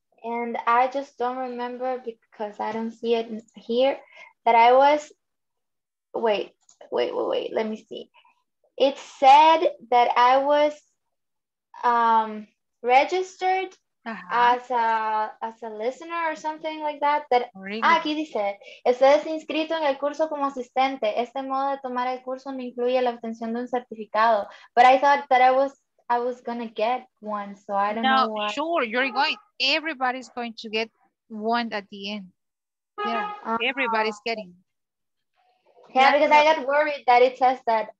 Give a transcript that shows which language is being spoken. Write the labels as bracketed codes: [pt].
[en] And I just don't remember because I don't see it here. That I was, wait, let me see. It said that I was registered as a listener or something like that. [es] Aquí dice, estás inscrito en el curso como asistente. Este modo de tomar el curso no incluye la obtención de un certificado. [en] But I thought that I was gonna get one, so I don't know why. Sure, you're going, everybody's going to get one at the end. Yeah, everybody's getting. Yeah, that's because I got worried that it says that.